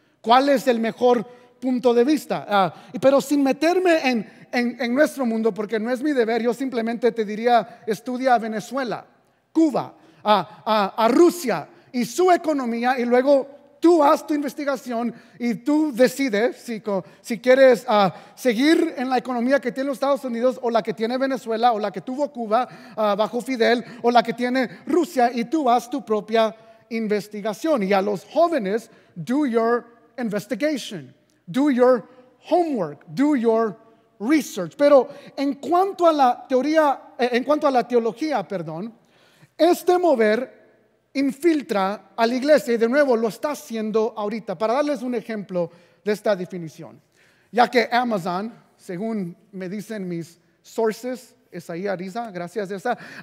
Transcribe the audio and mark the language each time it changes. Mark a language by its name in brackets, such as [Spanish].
[Spanish] ¿Cuál es el mejor punto de vista? Pero sin meterme en nuestro mundo, porque no es mi deber, yo simplemente te diría, estudia a Venezuela, Cuba, a Rusia y su economía, y luego tú haz tu investigación y tú decides si quieres seguir en la economía que tiene los Estados Unidos, o la que tiene Venezuela, o la que tuvo Cuba bajo Fidel, o la que tiene Rusia, y tú haz tu propia investigación. Y a los jóvenes, [English] do your investigation, do your homework, do your research. [Spanish] Pero en cuanto a la teoría, en cuanto a la teología, perdón, este mover infiltra a la iglesia, y de nuevo lo está haciendo ahorita. Para darles un ejemplo de esta definición, ya que Amazon, según me dicen mis sources, Esaí Ariza, gracias a esa.